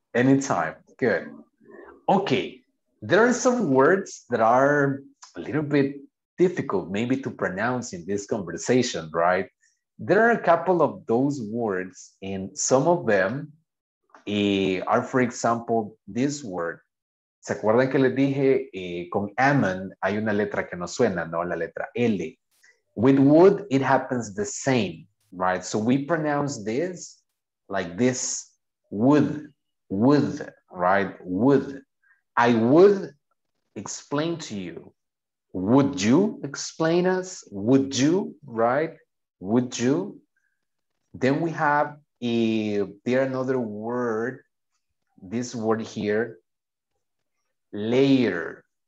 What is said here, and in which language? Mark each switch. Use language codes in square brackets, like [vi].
[en] Anytime. Good. Okay. There are some words that are a little bit difficult maybe to pronounce in this conversation, right? There are a couple of those words, and some of them are, for example, this word. [es] ¿Se acuerdan que les dije con amen hay una letra que no suena, no? La letra L. [en] With wood, it happens the same. Right, so we pronounce this like this, would, right, would. I would explain to you. Would you explain us? Would you, right, would you? Then we have another word, this word here, layer.